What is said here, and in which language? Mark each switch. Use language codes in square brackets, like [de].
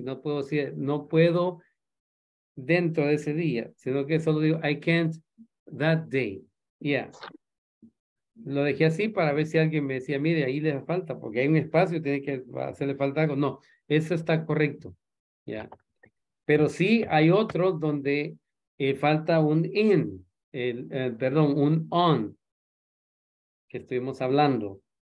[es] No puedo decir, no puedo dentro de ese día. Sino que solo digo, [en] I can't that day. Yeah. [es] Lo dejé así para ver si alguien me decía, mire, ahí le falta. Porque hay un espacio, tiene que hacerle falta algo. No, eso está correcto. [en] Yeah. [es] Pero sí hay otro donde... falta un in, perdón, un on, que estuvimos hablando.